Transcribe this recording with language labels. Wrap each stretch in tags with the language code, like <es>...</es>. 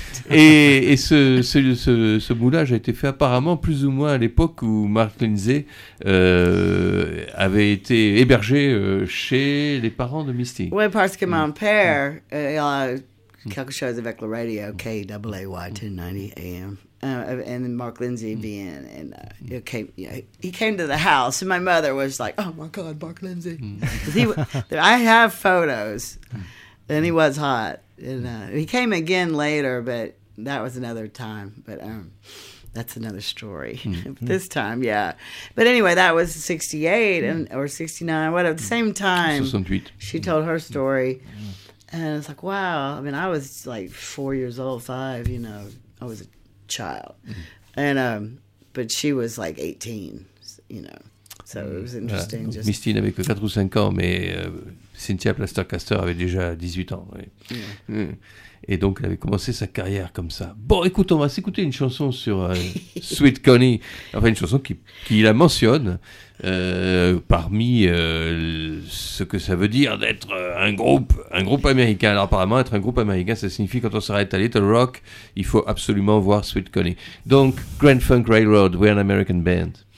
<fr>Et ce moulage a été fait apparemment plus ou moins à l'époque où Mark Lindsay avait été hébergé chez les parents de Misty. Oui, parce que mon père, il a quelque chose avec la radio, KAY 1090 AM.</fr> <en>And then Mark Lindsay being, and he came to the house, and my mother was like, "Oh my God, Mark Lindsay!" I have photos, and he was hot. And he came again later, but that was another time. But that's another story. This time, yeah. But anyway, that was 68 and or 69, whatever. At the same time, she told her story, and it's like, wow. I mean, I was like 4 years old, five. You know, I was a child. And but she was like 18, you know, so it was interesting.</en> <fr>Voilà. Misty n'avait que 4 ou 5 ans, mais Cynthia Plastercaster avait déjà 18 ans. Oui.</fr> <en>Yeah.</en> <fr>Et donc elle avait commencé sa carrière comme ça. Bon, écoute, on va s'écouter une chanson sur Sweet Connie, enfin une chanson qui la mentionne parmi ce que ça veut dire d'être un groupe américain. Alors apparemment, être un groupe américain, ça signifie quand on s'arrête à Little Rock, il faut absolument voir Sweet Connie. Donc, Grand Funk Railroad, We're an American Band.</fr>